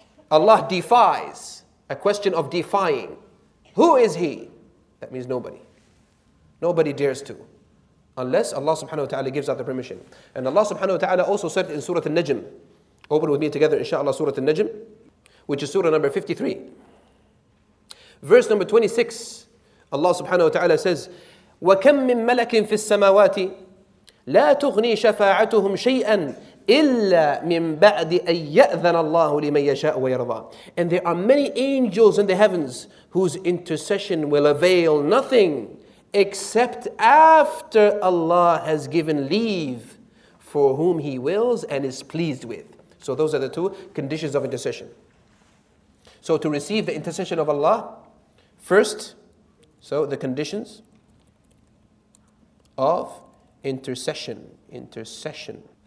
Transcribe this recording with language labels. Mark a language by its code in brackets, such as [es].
[en] Allah defies, a question of defying. Who is he? That means nobody. Nobody dares to. Unless Allah subhanahu wa ta'ala gives out the permission. And Allah subhanahu wa ta'ala also said in Surah Al-Najm. Open with me together, inshallah, Surah Al-Najm, which is Surah number 53. [ar] Verse number 26, Allah subhanahu wa ta'ala says, وَكَمْ مِن مَلَكٍ فِي السَّمَاوَاتِ لا تغني شفاعتهم شيئا إلا من بعد أن يأذن الله لمن يشاء ويرضى. [en] And there are many angels in the heavens whose intercession will avail nothing except after Allah has given leave for whom He wills and is pleased with. So those are the two conditions of intercession. So to receive the intercession of Allah, first, so the conditions of intercession.